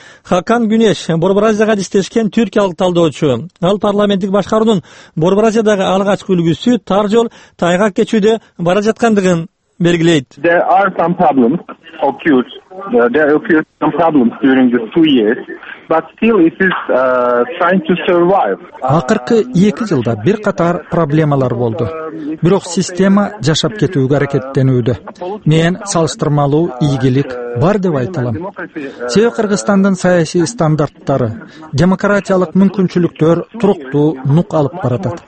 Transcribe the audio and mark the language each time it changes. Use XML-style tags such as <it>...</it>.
<ky>Хакан Гүнеш Борбор Азияга иштешкен түркиялык талдоочу. Ал парламенттик башкаруунун Борбор Азиядагы алгачкы үлгүсү тар жол тайгак кечүүдө бара жаткандыгын белгилейт.</ky> <en>There are some problems occurred. There occurred some problems during the 2 years, but still it is trying to survive.</en> <ky>Акыркы 2 жылда бир катар проблемалар болду. Бирок система жашап кетүүгө аракеттенүүдө. Мен салыштырмалуу ийгилик бар деп айталам. Себеп Кыргызстандын саясий стандарттары, демократиялык мүмкүнчүлүктөр туруктуу нук алып баратат.</ky>